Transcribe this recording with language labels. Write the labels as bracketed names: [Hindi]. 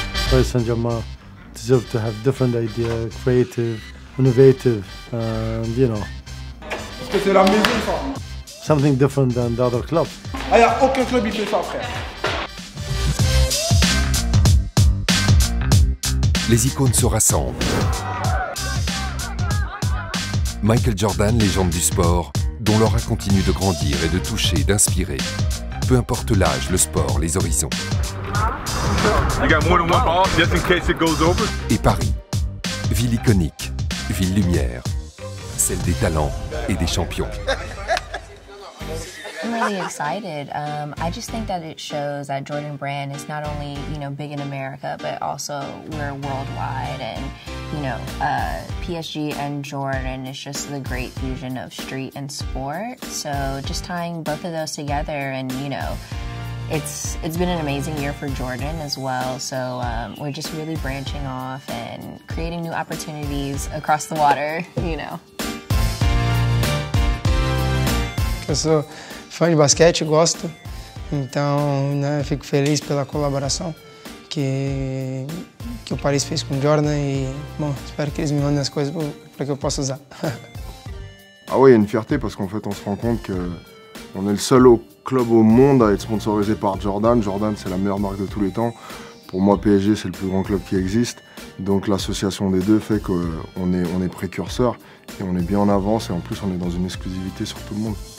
[English] Paris Saint-Germain deserve to have different ideas, creative, innovative, and you know. [French] Est-ce que c'est la maison, ça ? [English] Something different than the other clubs. [French] Ah, y'a aucun club qui fait ça, frère. Les icônes se rassemblent. Michael Jordan, légende du sport, dont l'aura continue de grandir et de toucher, d'inspirer. Peu importe l'âge, le sport, les horizons. [English] You got more than one ball, just in case it goes over. [French] Et Paris, ville iconique, ville lumière, celle des talents et des champions. [English] I'm really excited. I just think that it shows that Jordan Brand is not only, you know, big in America, but also we're worldwide. And, you know, PSG and Jordan is just the great fusion of street and sport. So just tying both of those together and, you know, it's been an amazing year for Jordan as well. So we're just really branching off and creating new opportunities across the water, you know. [Portuguese] So, fã de basquete, gosto, então, né, fico feliz pela colaboração que o Paris fez com o Jordan e, bom, espero que eles me mandem as coisas para que eu possa usar. [French] Ah oui, il y a une fierté parce qu'en fait, on se rend compte qu'on est le seul club au monde à être sponsorisé par Jordan. Jordan, c'est la meilleure marque de tous les temps. Pour moi, PSG, c'est le plus grand club qui existe. Donc l'association des deux fait qu'on est précurseur et on est bien en avance et en plus on est dans une exclusivité sur tout le monde.